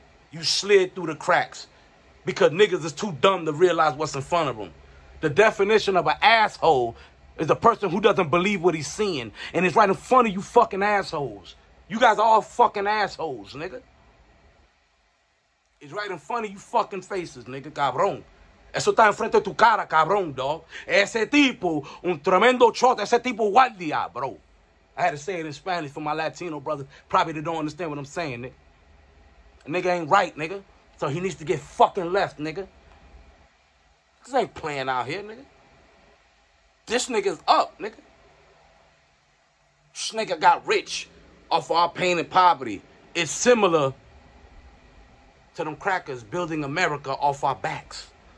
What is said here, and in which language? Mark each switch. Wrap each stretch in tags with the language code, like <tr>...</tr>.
<en>You slid through the cracks because niggas is too dumb to realize what's in front of them. The definition of an asshole is a person who doesn't believe what he's seeing, and it's right in front of you fucking assholes. You guys are all fucking assholes, nigga. It's right in front of you fucking faces, nigga, cabrón.</en> <es>Eso está enfrente de tu cara, cabrón, dog. Ese tipo, un tremendo chote, ese tipo guardia, bro.</es> <en>I had to say it in Spanish for my Latino brothers. Probably they don't understand what I'm saying, nigga. A nigga ain't right, nigga. So he needs to get fucking left, nigga. This ain't playing out here, nigga. This nigga's up, nigga. This nigga got rich off of our pain and poverty. It's similar to them crackers building America off our backs.</en>